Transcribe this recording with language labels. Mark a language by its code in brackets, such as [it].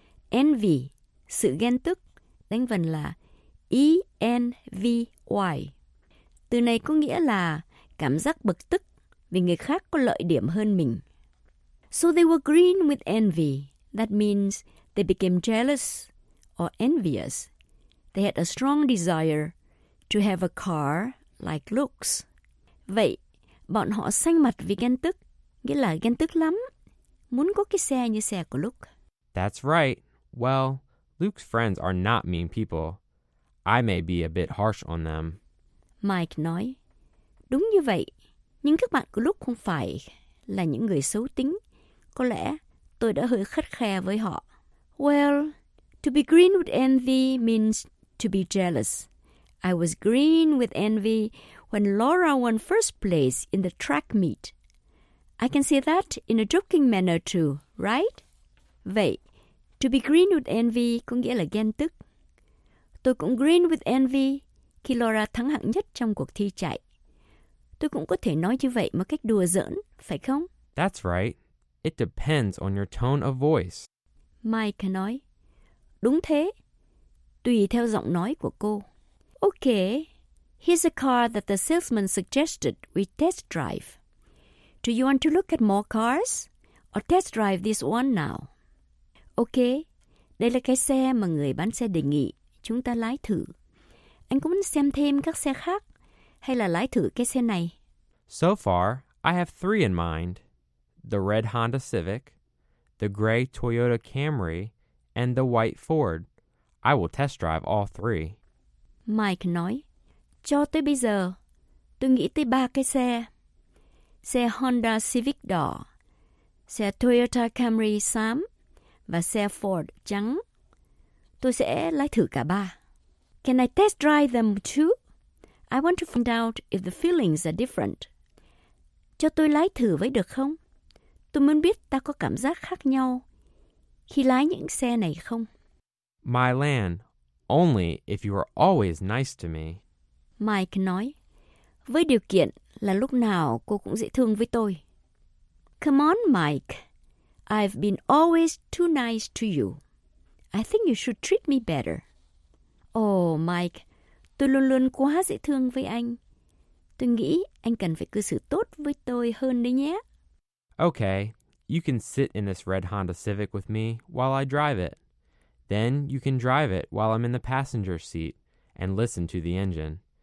[vi] Envy, sự ghen tức, đánh vần là E-N-V-Y. Từ này có nghĩa là cảm giác bực tức vì người khác có lợi điểm hơn mình. [en] So they were green with envy. That means they became jealous or envious. They had a strong desire to have a car like Luke's. [vi] Vậy, bọn họ xanh mặt vì ghen tức, nghĩa là ghen tức lắm, muốn có cái xe như xe của Luke. [en] That's right. Well, Luke's friends are not mean people. I may be a bit harsh on them. [vi] Mike nói, đúng như vậy. Nhưng các bạn của Luke không phải là những người xấu tính. Có lẽ tôi đã hơi khắt khe với họ. [en] Well, to be green with envy means to be jealous. I was green with envy when Laura won first place in the track meet. I can say that in a joking manner too, right? [vi] Vậy, [en] to be green with envy [vi] có nghĩa là ghen tức. Tôi cũng [en] green with envy [vi] khi Laura thắng hạng nhất trong cuộc thi chạy. Tôi cũng có thể nói như vậy một cách đùa giỡn, phải không? [en] That's right. It depends on your tone of voice. [vi] Mike nói, đúng thế, tùy theo giọng nói của cô. [en] Okay, here's a car that the salesman suggested we test drive. Do you want to look at more cars or test drive this one now? [vi] Okay, đây là cái xe mà người bán xe đề nghị chúng ta lái thử. Anh có muốn xem thêm các xe khác hay là lái thử cái xe này? [en] So far, I have three in mind. The red Honda Civic, the gray Toyota Camry, and the white Ford. I will test drive all three. [vi] Mike nói, cho tới bây giờ, tôi nghĩ tới ba cái xe. Xe Honda Civic đỏ, xe Toyota Camry xám, và xe Ford trắng. Tôi sẽ lái thử cả ba. [en] Can I test drive them too? I want to find out if the feelings are different. [vi] Cho tôi lái thử với được không? Tôi muốn biết ta có cảm giác khác nhau khi lái những xe này không. [en] My land, only if you are always nice to me. [vi] Mike nói, với điều kiện là lúc nào cô cũng dễ thương với tôi. [en] Come on, Mike. I've been always too nice to you. I think you should treat me better. [vi] Oh, Mike, tôi luôn luôn quá dễ thương với anh. Tôi nghĩ anh cần phải cư xử tốt với tôi hơn đấy nhé. [en] Okay, you can sit in this red Honda Civic with me while I drive it. Then you can drive it while I'm in the passenger seat and listen to the engine.